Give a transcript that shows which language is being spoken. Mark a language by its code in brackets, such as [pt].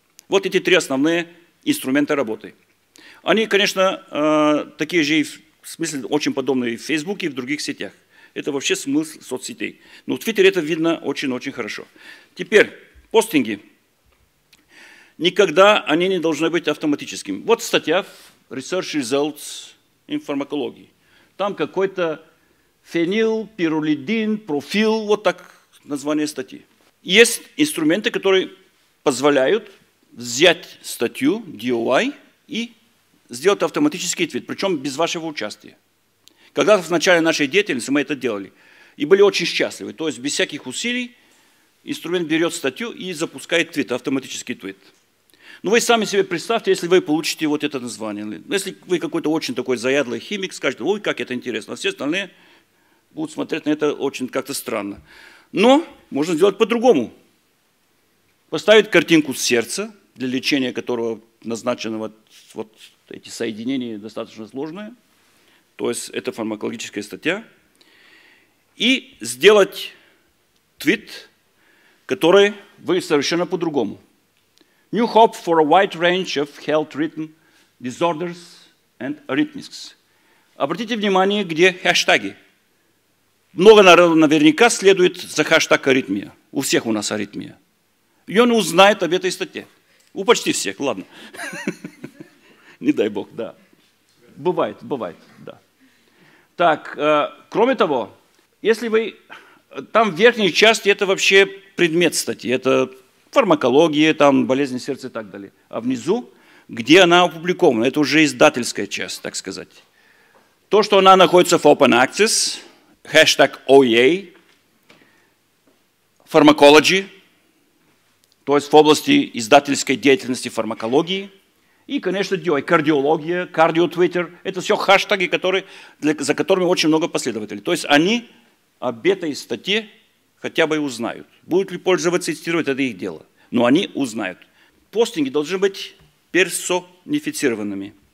[ru] Вот эти три основные инструмента работы. Они, конечно, такие же, в смысле, очень подобные и в Фейсбуке, и в других сетях. Это вообще смысл соцсетей. Но в Твиттере это видно очень-очень хорошо. Теперь, постинги. Никогда они не должны быть автоматическими. Вот статья в Research Results in Pharmacology. Там какой-то фенил, пиролидин, профил, вот так название статьи. Есть инструменты, которые позволяют взять статью DOI и сделать автоматический твит, причем без вашего участия. Когда-то в начале нашей деятельности мы это делали и были очень счастливы. То есть без всяких усилий инструмент берет статью и запускает твит, автоматический твит. Но вы сами себе представьте, если вы получите вот это название. Если вы какой-то очень такой заядлый химик, скажете, ой, как это интересно, а все остальные будут смотреть на это очень как-то странно. Но можно сделать по-другому. Поставить картинку сердца, для лечения которого назначены вот эти соединения достаточно сложные. То есть это фармакологическая статья. И сделать твит, который выглядит совершенно по-другому. [en] New hope for a wide range of health rhythm disorders and arrhythmias. [ru] Обратите внимание, где хэштаги. Много народу наверняка следует за хэштаг аритмия. У всех у нас аритмия. И он узнает об этой статье. У почти всех, ладно. Не дай бог, да. Бывает, да. Так, кроме того, если вы... Там в верхней части это вообще предмет статьи. Это фармакология, там болезни сердца и так далее. А внизу, где она опубликована, это уже издательская часть, так сказать. То, что она находится в Open Access... Хэштаг OEA, Pharmacology, то есть в области издательской деятельности, фармакологии. И, конечно, кардиология, кардиотвиттер. Это все хэштеги, которые, за которыми очень много последователей. То есть они об этой статье хотя бы и узнают. Будут ли пользоваться и цитировать, это их дело. Но они узнают. Постинги должны быть персонифицированными.